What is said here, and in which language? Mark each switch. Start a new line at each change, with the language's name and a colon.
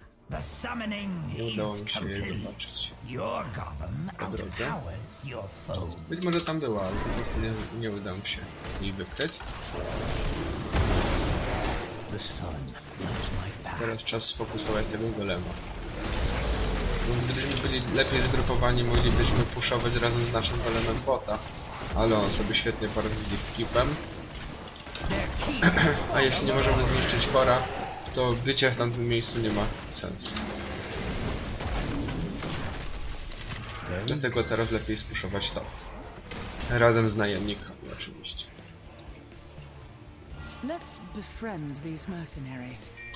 English: The summoning is complete. Your goblin outpowers your foes.
Polish: Być może tam była, ale po prostu nie uda mi się jej wykryć.
English: The sun lights my path.
Polish: Teraz czas sfokusować tego golema. Gdybyśmy byli lepiej zgrupowani, moglibyśmy pushować razem z naszym golemem bota. Ale on sobie świetnie poradzi z ich keepem. A jeśli nie możemy zniszczyć Kora, to bycie w tamtym miejscu nie ma sensu. Dlatego teraz lepiej spuszować to. Razem z najemnikami oczywiście.
English: Let's befriend these mercenaries.